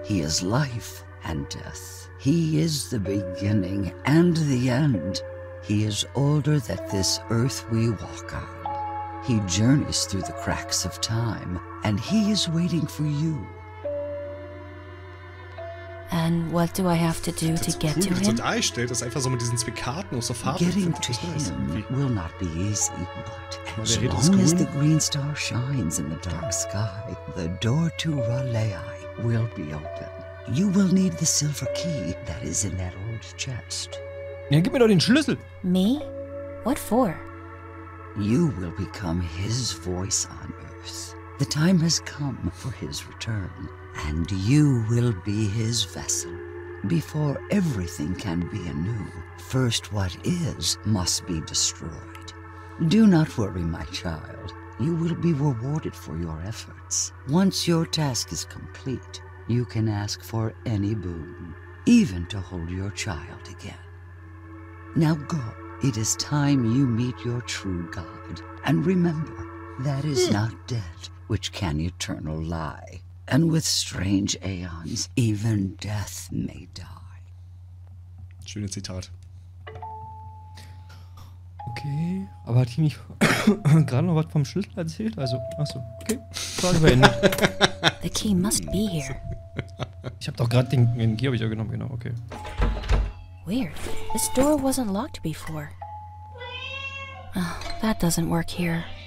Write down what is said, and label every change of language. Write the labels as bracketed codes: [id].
[en] He is life and death. He is the beginning and the end. He is older than this earth we walk on. He journeys through the cracks of time, and he is waiting for you. And what do I have to do to get to him? [de] Das ist cool, das einfach so mit diesen Zwickarten und so Farben. [en] Getting to him will not be easy, but as long as the green star shines in the dark sky, the door to Ralei will be open. You will need the silver key that is in that old chest. [de] Ja, gib mir doch den Schlüssel. [en] Me? What for? You will become his voice on Earth. The time has come for his return. And you will be his vessel. Before everything can be anew, first what is must be destroyed. Do not worry, my child. You will be rewarded for your efforts. Once your task is complete, you can ask for any boon. Even to hold your child again. Now go. It is time you meet your true God. And remember, that is not death which can eternal lie. And with strange aeons, even death may die. [de] Schöne Zitat. Okay, aber hat die nicht gerade noch was vom Schlüssel erzählt? Also, achso, okay. Frage beendet. [en] The key must be here. [de] Ich hab doch gerade den Key hab ich ja genommen, genau, okay. [en] Weird. This door wasn't locked before. Oh, that doesn't work here.